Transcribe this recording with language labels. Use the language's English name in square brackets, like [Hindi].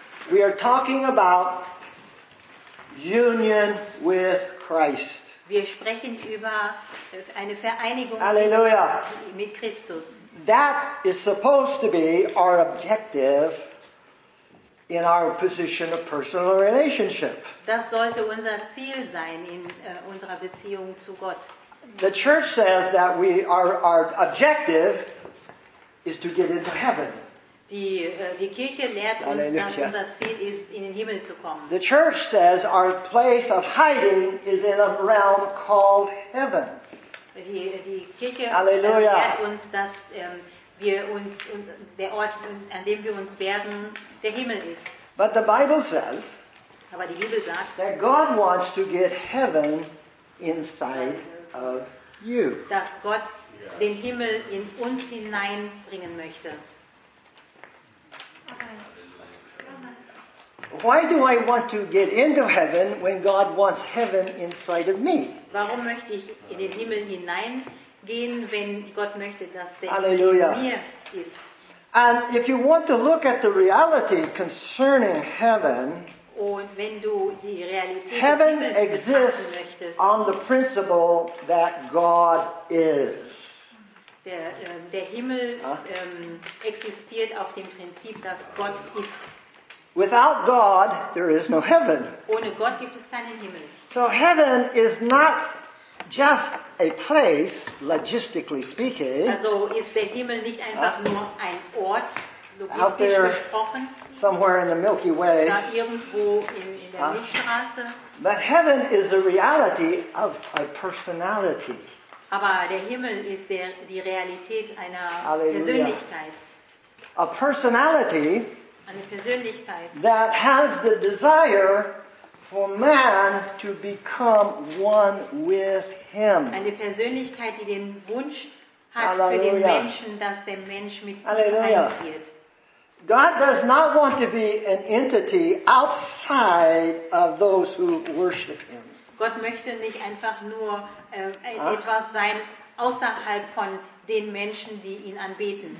[English] We are talking about union with Christ. [German] Wir sprechen über eine Vereinigung mit Christus. [English] That is supposed to be our objective in our position of personal relationship. [German] Das sollte unser Ziel sein in unserer Beziehung zu Gott. [English] The church says that we our objective is to get into heaven. [German] Die Kirche lehrt uns, dass unser Ziel ist, in den Himmel zu kommen. [English] The church says our place of hiding is in a realm called heaven. [German] Die Kirche lehrt uns, dass wir uns der Ort, an dem wir uns werden, der Himmel ist. [English] But the Bible says, [German] aber die Bibel sagt, [English] that God wants to get heaven inside of you. [German] Dass Gott den Himmel in uns hineinbringen möchte. [English] Why do I want to get into heaven when God wants heaven inside of me? [German] Warum möchte ich in den Himmel hineingehen, wenn Gott möchte, dass der Himmel in mir ist? [English] And if you want to look at the reality concerning heaven, [German] und wenn du die Realität [English] heaven exists on the principle that God is. [German] Der Himmel existiert auf dem Prinzip, dass Gott ist. [English] Without God, there is no heaven. [German] Ohne Gott gibt es keinen Himmel. [English] So heaven is not just a place, logistically speaking. [German] Also ist der Himmel nicht einfach nur ein Ort, logistisch gesprochen. [English] Somewhere in the Milky Way. [German] Da irgendwo in der Milchstraße. [English] But heaven is the reality of a personality. [German] Aber der Himmel ist die Realität einer Persönlichkeit. [English] A personality. [German] Eine Persönlichkeit. [English] That has the desire for man to become one with him. [German] Eine Persönlichkeit, die den Wunsch hat, Halleluja. Für den Menschen, dass der Mensch mit Halleluja. Ihm eins wird. God does not want to be an entity outside of those who worship him. Gott möchte nicht einfach nur etwas sein außerhalb von den Menschen, die ihn anbeten.